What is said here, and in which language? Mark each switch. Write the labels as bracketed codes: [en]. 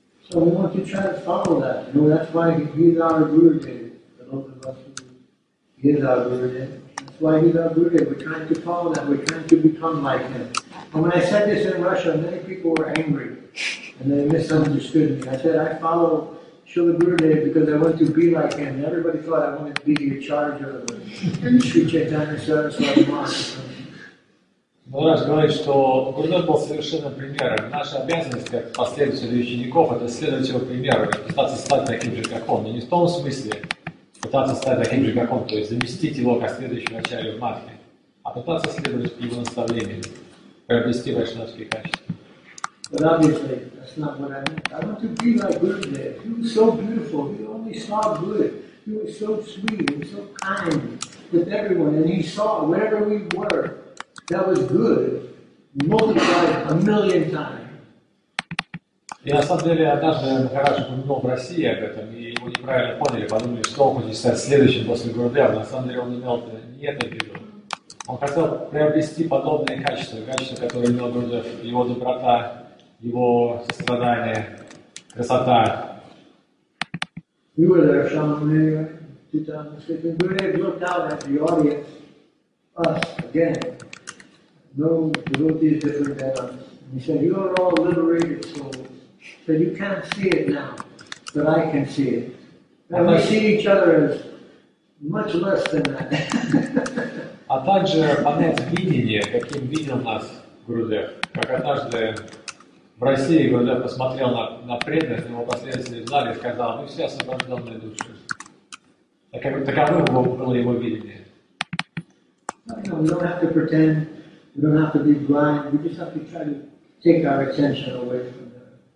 [en] So we want to try to follow that. You know, that's why he's our Gurudev. That's why he's our Gurudev. We're trying to follow that. We're trying to become like him. And when I said this in Russia, many people were angry and they misunderstood me. I said, I follow Srila Gurudev because I want to be like him. And everybody thought I wanted to be the Acharya of Sri Chaitanya Saraswati Maharaj. [ru] Мудрец говорит, что Гурудев был совершенным примером. Наша обязанность как последователей учеников — это следовать его примеру, пытаться стать таким же, как он. Но не в том смысле пытаться стать таким же, как он, то есть заместить его как следующего ачарью в матхе, а пытаться следовать его наставлениям, приобрести вайшнавские качества. [en] But obviously, that's not what I meant. I want to be like Gurudev. He was so beautiful. He only saw good. He was so sweet and so kind with everyone. And he saw wherever we were. That was good, multiplied a million times. [ru] И на самом деле однажды Махарадж упомянул в России об этом, и его неправильно поняли, подумали, что он хочет стать следующим после Гурудева. На самом деле он имел не это в виду. Он хотел приобрести подобные качества, качества, которые имел Гурудев, его доброта, его сострадание, красота. [en] We were there, Shaman, Gurudev looked out at the audience, us again. No devotee is different than us. And he said, you are all liberated souls. So you can't see it now, but I can see it. And we see each other as much less than that. [ru] А также понять видение, каким видел нас Гурудев. Как однажды в России Гурудев посмотрел на преданных, на его последователей в зале и сказал, мы все освобожденные души. Таково было его видение. [en] We don't have to pretend. We don't have to be blind. We just have to try to take our attention away from that.